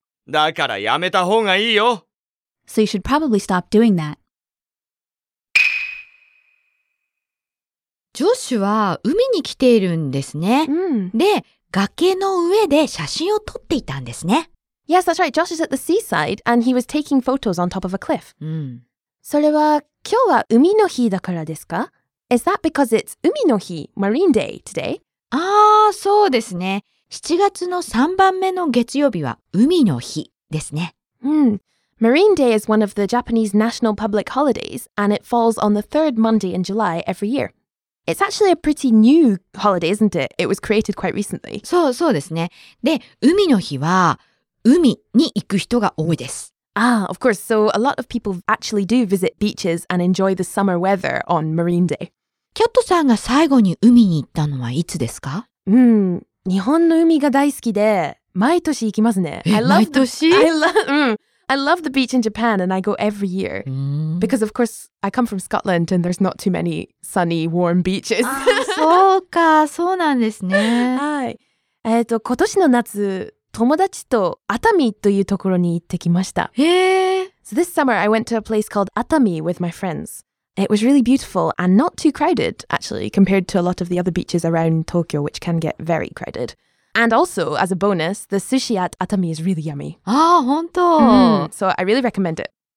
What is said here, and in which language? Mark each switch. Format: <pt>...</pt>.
<ja>だからやめた方がいいよ。</ja> <en>So you should probably stop doing that.</en> <ja>ジョシュは海に来ているんですね。うん、で、崖の上で写真を撮っていたんですね。</ja> <en>Yes, that's right. Josh is at the seaside and he was taking photos on top of a cliff.、うん、</en> <ja>それは今日は海の日だからですか?</ja> <en>Is that because it's 海の日, Marine Day today?</en> <ja>ああ、そうですね。 7月の3番目の月曜日は海の日ですね。うん。</ja> <en>Marine Day is one of the Japanese national public holidays and it falls on the third Monday in July every year. It's actually a pretty new holiday, isn't it? It was created quite recently.</en> <ja>そう、そうですね。で、海の日は海に行く人が多いです。</ja> <en>Ah, of course. So a lot of people actually do visit beaches and enjoy the summer weather on Marine Day.</en> <ja>キャットさんが最後に海に行ったのはいつですか? うん、日本の海が大好きで、毎年行きますね。え、毎年?</ja> <en>I love the beach in Japan and I go every year. Because of course, I come from Scotland and there's not too many sunny, warm beaches.</en> <ja>そうか、そうなんですね。はい。今年の夏、友達と熱海というところに行ってきました。へぇ。</ja> <en>So this summer, I went to a place called 熱海 with my friends. It was really beautiful and not too crowded, actually, compared to a lot of the other beaches around Tokyo, which can get very crowded. And also, as a bonus, the sushi at Atami is really yummy.</en> <ja>ああ、本当。</ja> <en>Mm. So I really recommend it.</en>